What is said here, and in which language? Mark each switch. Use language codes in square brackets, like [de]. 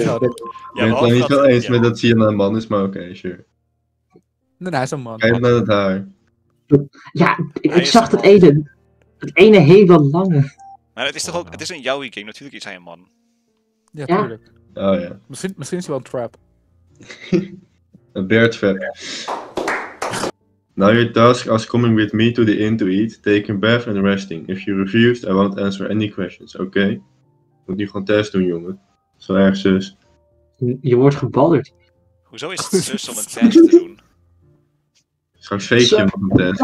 [nl] Ik ben het dan niet wel eens met dat Sienna een man is, maar oké, [en] okay, sure. [nl] Nee, hij is een man. Kijk naar het haar. Ja, ik zag dat ene. Het ene hele lange. Maar het is toch ook, het is een yaoi game, natuurlijk is hij een man. Ja, tuurlijk. Ja. Oh ja. Misschien is hij wel een trap. Een bear trap. [en] Now your task is coming with me to the inn to eat, taking bath and resting. If you refuse, I won't answer any questions, okay? [nl] Moet nu gewoon test doen, jongen. Zo erg zus. Je wordt gebalderd. Hoezo is het zus om een test te doen? Straks feestje om een test.